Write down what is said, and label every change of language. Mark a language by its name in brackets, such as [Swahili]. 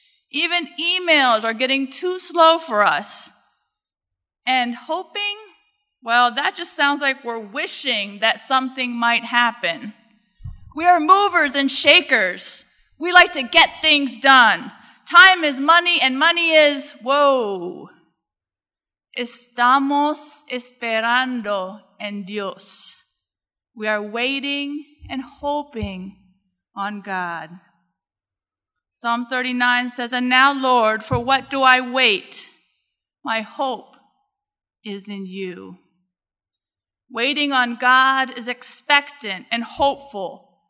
[English] Even emails are getting too slow for us. And hoping, well, that just sounds like we're wishing that something might happen. We are movers and shakers. We like to get things done. Time is money and money is, whoa. [Spanish] Estamos esperando en Dios. [English] We are waiting and hoping on God. Psalm 39 says, and now, Lord, for what do I wait? My hope is in you. Waiting on God is expectant and hopeful.